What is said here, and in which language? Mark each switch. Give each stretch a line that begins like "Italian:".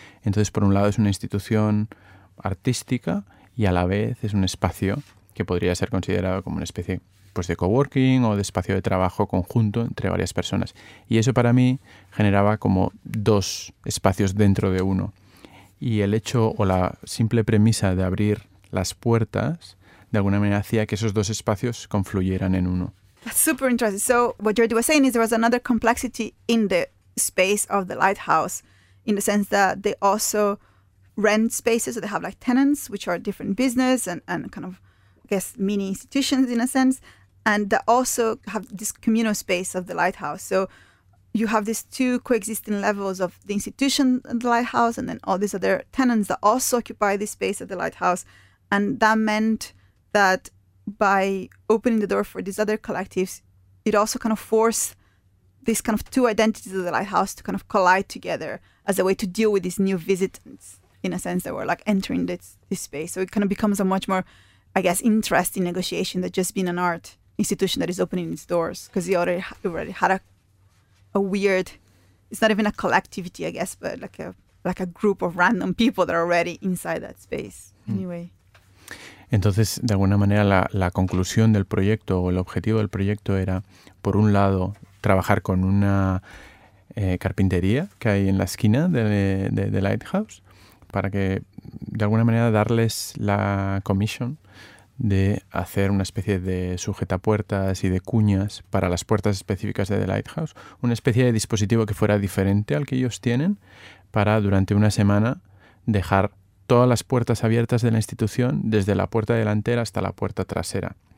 Spanish: Entonces, por un lado, es una institución artística y a la vez es un espacio que podría ser considerado como una especie pues, de coworking o de espacio de trabajo conjunto entre varias personas. Y eso para mí generaba como dos espacios dentro de uno. Y el hecho o la simple premisa de abrir las puertas de alguna manera hacía que esos dos espacios confluyeran en uno.
English: That's super interesting. So what Jordi was saying is there was another complexity in the space of the Lighthouse, in the sense that they also rent spaces, so they have like tenants, which are different business and kind of, I guess, mini institutions in a sense, and they also have this communal space of the Lighthouse. So you have these two coexisting levels of the institution and the Lighthouse, and then all these other tenants that also occupy the space of the Lighthouse. And that meant that by opening the door for these other collectives, it also kind of forced these kind of two identities of the Lighthouse to kind of collide together as a way to deal with these new visitants, in a sense, that were like entering this space. So it kind of becomes a much more, I guess, interesting negotiation than just being an art institution that is opening its doors, because it already had a weird, it's not even a collectivity, I guess, but like a group of random people that are already inside that space anyway.
Spanish: Entonces, de alguna manera, la conclusión del proyecto o el objetivo del proyecto era, por un lado, trabajar con una carpintería que hay en la esquina de Lighthouse para que, de alguna manera, darles la comisión de hacer una especie de sujetapuertas y de cuñas para las puertas específicas de The Lighthouse, una especie de dispositivo que fuera diferente al que ellos tienen para, durante una semana, dejar todas las puertas abiertas de la institución, desde la puerta delantera hasta la puerta trasera.